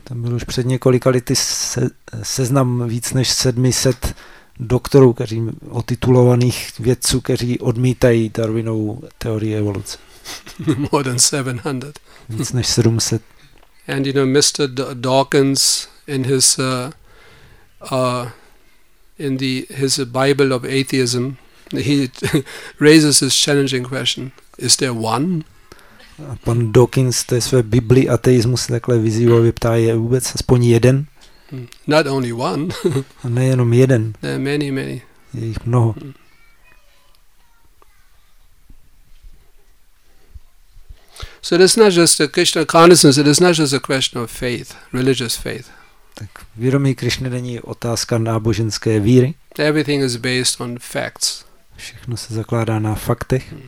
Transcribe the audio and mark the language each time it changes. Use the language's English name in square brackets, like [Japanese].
[Czech] Tam byl už před několika lety seznam víc než 700 doktorů, kteří otitulovaných vědců, kteří odmítají Darwinovu teorii evoluce. [English] More than 700. [Czech] Víc než 700. [English] And Mr. Dawkins in his Bible of Atheism, he raises this challenging question: is there one? [Czech] A pan Dawkins v té své Biblii ateismu se takhle vyzývá, vyptá, je vůbec aspoň jeden? [English] Not only one. [Czech] A ne jenom jeden. [English] There are many, many. [Czech] Je jich mnoho. [English] So it is not just a question of consciousness, it is not just a question of faith, religious faith. [Czech] Tak vědomí Krišny není otázka náboženské víry. [English] Everything is based on facts. [Czech] Všechno se zakládá na faktech.